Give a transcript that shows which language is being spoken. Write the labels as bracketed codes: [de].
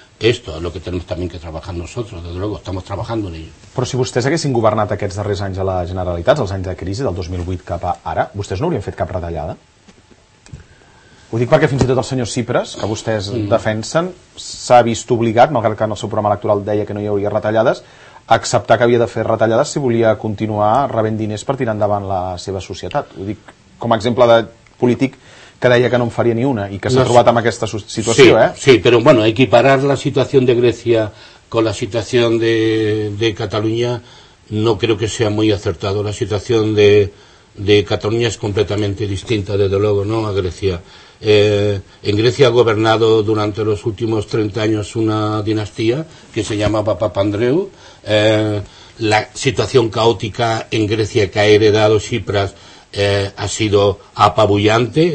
[es] Esto es lo que tenemos también que trabajar nosotros, desde luego, estamos trabajando en ello. [ca] Però si vostès haguessin governat aquests darrers anys a la Generalitat, els anys de crisi del 2008 cap a ara, vostès no haurien fet cap retallada? Ho dic perquè fins i tot el senyor Tsipras, que vostès defensen, s'ha vist obligat, malgrat que en el seu programa electoral deia que no hi hauria retallades, a acceptar que havia de fer retallades si volia continuar rebent diners per tirar endavant la seva societat. Ho dic com a exemple de polític que deia que no en faria ni una i que s'ha trobat amb aquesta situació. [es] Sí, sí, però bueno, [ca] equiparar la situació de Grècia [es] con [ca] la situació de Catalunya [es] no creo que sea muy acertado. La situació de Cataluña es completamente distinta, desde luego, ¿no?, a Grecia. En Grecia ha gobernado durante los últimos 30 años una dinastía que se llamaba Papandreou. La situación caótica en Grecia que ha heredado Tsipras ha sido apabullante.